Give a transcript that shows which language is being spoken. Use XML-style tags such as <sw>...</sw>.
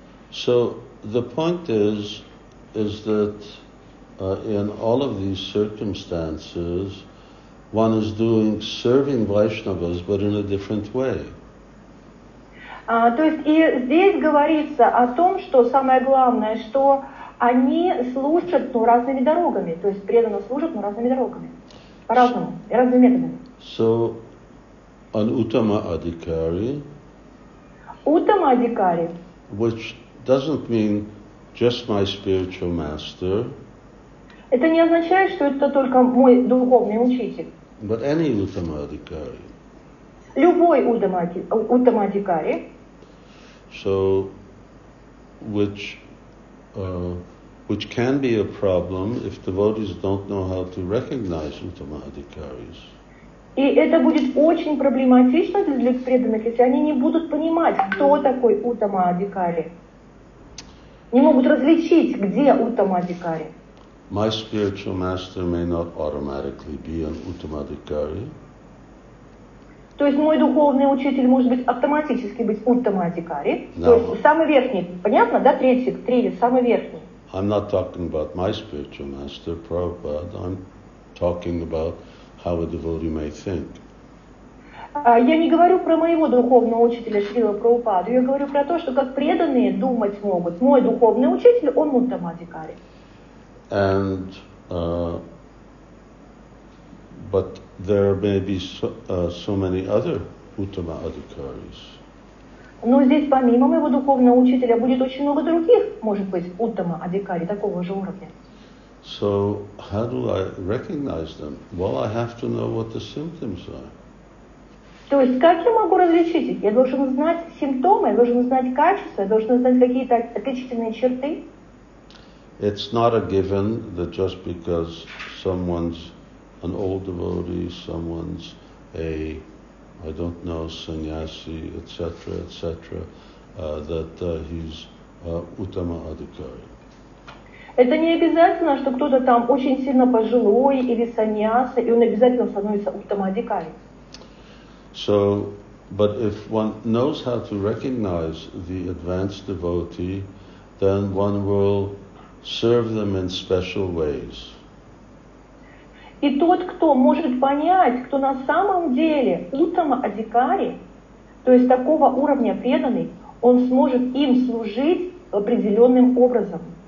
<en>So the point is that in all of these circumstances, one is doing serving Vaishnavas, but in a different way.</en> <ru>То есть и здесь говорится о том, что самое главное, что они служат ну, разными дорогами, то есть преданно служат ну, разными дорогами, по-разному, разными методами.</ru> <en>So, an uttama adhikari.</en> <sa>Uttama adhikari.</sa> <en>Which doesn't mean just my spiritual master.</en> <ru>Это не означает, что это только мой духовный учитель.</ru> <en>But any uttama adhikari.</en> <ru>Любой уттама адхикари.</ru> <en>So, which can be a problem if devotees don't know how to recognize uttama adhikaris.</en> <ru>И это будет очень проблематично для преданных, если они не будут понимать, кто такой уттама адхикари. Не могут различить, где уттама адхикари.</ru> <en>My spiritual master may not automatically be an uttama adhikari.</en> <ru>То есть мой духовный учитель может быть автоматически быть уттама-адхикари, то есть самый верхний, понятно, да, третий, самый верхний.</ru> <en>I'm not talking about my spiritual master, Prabhupada, I'm talking about how a devotee may think.</en> <ru>Я не говорю про моего духовного учителя Шрила Прабхупаду, я говорю про то, что как преданные думать могут. Мой духовный учитель, он уттама-адхикари.</ru> <en>And, but there may be so many other uttama adhikaris.</en> <ru>Но здесь помимо моего духовного учителя будет очень много других, может быть, уттама адхикари такого же уровня.</ru> <en>So how do I recognize them? Well, I have to know what the symptoms are.</en> <ru>То есть как я могу различить их? Я должен знать симптомы, я должен знать качества, я должен знать какие-то отличительные черты.</ru> <en>It's not a given that just because someone's an old devotee, someone's a, I don't know, sannyasi, etc., etc., that he's uttama adhikari.</en> <ru>Это не обязательно, что кто-то там очень сильно пожилой или саньяса, и он обязательно становится уттама адхикари.</ru> <en>So, but if one knows how to recognize the advanced devotee, then one will serve them in special ways.</en> <ru>И тот, кто может понять, кто на самом деле уттама адхикари, то есть такого уровня преданный, он сможет им служить определенным образом.</ru>